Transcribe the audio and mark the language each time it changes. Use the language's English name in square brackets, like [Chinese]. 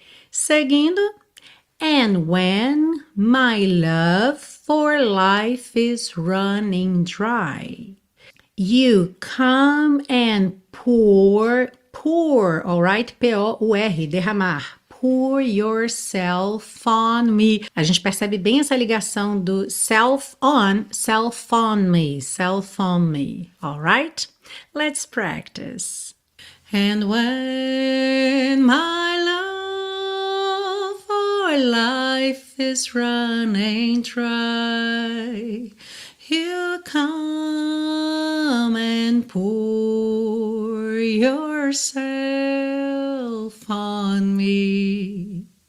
[Portuguese] Seguindo, [English] and when my love for life is running dry, you come and pour, all right? POUR, [Portuguese] derramar. [English] Pour yourself on me. [Portuguese] A gente percebe bem essa ligação do [English] self on, self on me, all right? Let's practice. And when my love for life is running dry, you come and pour yourself on me.